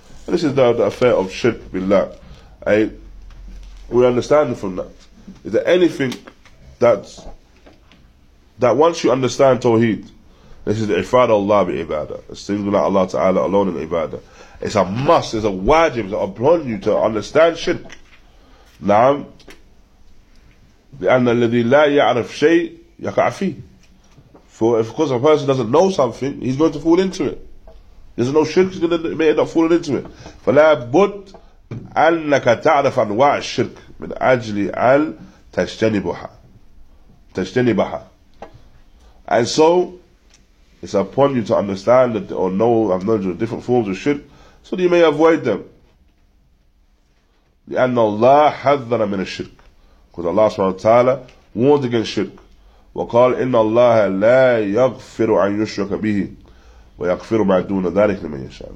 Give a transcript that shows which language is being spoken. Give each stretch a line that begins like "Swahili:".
English: And this is the affair of shirk billah. We understand from that. Is there anything that once you understand Tawheed, this is the ifada Allah bi ibadah, the singular like Allah Ta'ala alone in ibadah. It's a must, it's a wajib, it's upon you to understand shirk. Naam.
Arabic: لأن الذي لا يعرف شيء يقع فيه.
English: For if of course a person doesn't know something, he's going to fall into it. There's no shirk, he's going to end up falling into it.
Arabic: فلا بد أنك تعرف أنواع الشرك من أجل أن تجتنبها.
English: And so, it's upon you to understand that or know of knowledge of different forms of shirk, so that you may avoid them.
Arabic: لأن الله حذر من الشرك.
English: Because Allah subhanahu wa ta'ala warned against shirk.
Arabic: وَقَالْ إِنَّ اللَّهَ لَا يَغْفِرُ عَنْ يُشْرَكَ بِهِ وَيَغْفِرُ مَا دُونَ ذَلِكَ لِمَنْ يَشَاءُ.